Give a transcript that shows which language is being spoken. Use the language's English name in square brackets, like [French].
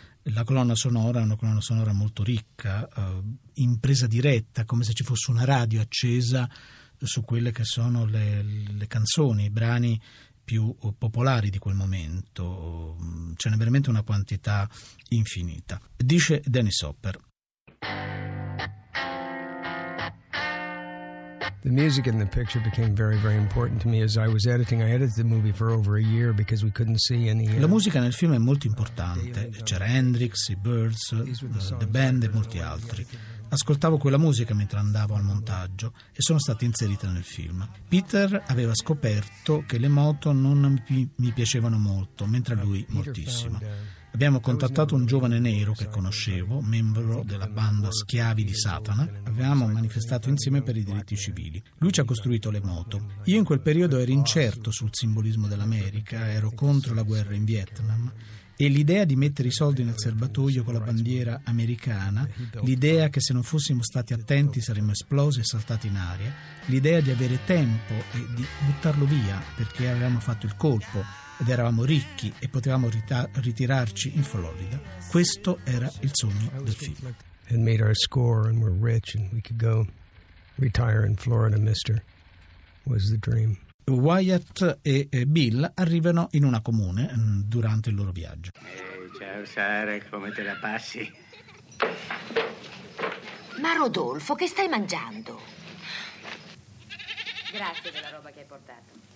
[Italian] La colonna sonora è una colonna sonora molto ricca, in presa diretta, come se ci fosse una radio accesa su quelle che sono le canzoni, i brani più popolari di quel momento. Ce n'è veramente una quantità infinita. Dice Dennis Hopper: [English] The music in the picture became very, very important to me as I was editing. I edited the movie for over a year because we couldn't see any. [Italian] La musica nel film è molto importante. C'era Hendrix, i Birds, The Band e molti altri. Ascoltavo quella musica mentre andavo al montaggio e sono state inserite nel film. Peter aveva scoperto che le moto non mi piacevano molto, mentre lui moltissimo. Abbiamo contattato un giovane nero che conoscevo, membro della banda Schiavi di Satana. Avevamo manifestato insieme per i diritti civili. Lui ci ha costruito le moto. Io in quel periodo ero incerto sul simbolismo dell'America, ero contro la guerra in Vietnam. E l'idea di mettere i soldi nel serbatoio con la bandiera americana, l'idea che se non fossimo stati attenti saremmo esplosi e saltati in aria, l'idea di avere tempo e di buttarlo via perché avevamo fatto il colpo ed eravamo ricchi e potevamo ritirarci in Florida, questo era il sogno del film. [English] And made our score and we're rich and we could go retire in Florida, mister, was the dream. [Italian] Wyatt e Bill arrivano in una comune durante il loro viaggio. Ciao Sara, come te la passi? Ma Rodolfo, che stai mangiando? Grazie della roba che hai portato.